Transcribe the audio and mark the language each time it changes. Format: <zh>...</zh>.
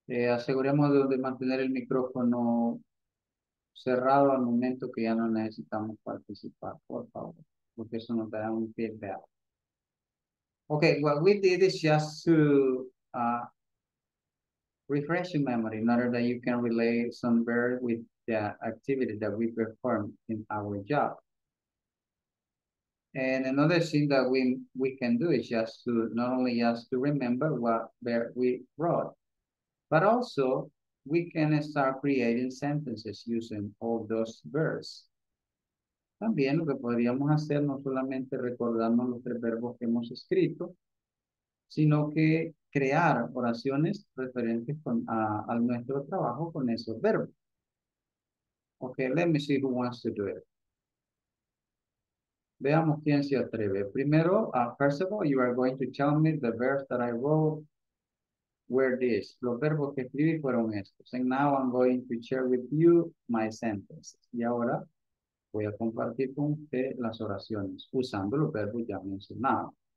<es>Aseguremos de mantener el micrófono cerrado al momento que ya no necesitamos participar, por favor. Porque eso nos da un feedback.</es> <en>Okay, what we did is just to refresh your memory in order that you can relate some verb with the activity that we perform in our job. And another thing that we can do is just to not only just to remember what verb we wrote, but also we can start creating sentences using all those verbs.</en> <es>También lo que podríamos hacer, no solamente recordarnos los tres verbos que hemos escrito, sino que crear oraciones referentes a nuestro trabajo con esos verbos.</es> <en>Ok, let me see who wants to do it.</en> <es>Veamos quién se atreve. Primero,</es> <en>first of all, you are going to tell me the verbs that I wrote were these.</en> <es>Los verbos que escribí fueron estos.</es> <en>And now I'm going to share with you my sentences.</en> <es>Y ahora voy a compartir con usted las oraciones usando los verbos ya mencionados.</es>